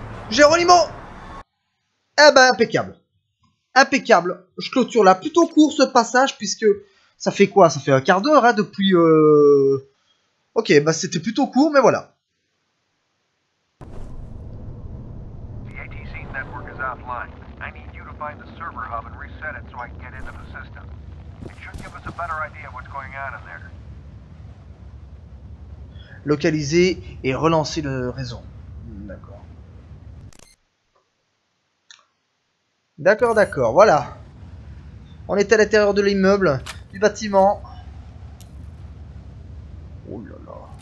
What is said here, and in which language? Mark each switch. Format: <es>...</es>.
<fr>Géronimo! Eh ben, impeccable. Impeccable. Je clôture là plutôt court ce passage, puisque ça fait quoi? Ça fait un quart d'heure, hein, depuis... Ok, bah c'était plutôt court, mais voilà.</fr> <en>The ATC network is offline. I need you to find the server hub and reset it so I can get into the system. It should give us a better idea of what's going on in there.</en> <fr>Localiser et relancer le réseau. D'accord. D'accord, d'accord, voilà. On est à l'intérieur de l'immeuble, du bâtiment. Oh là là.</fr>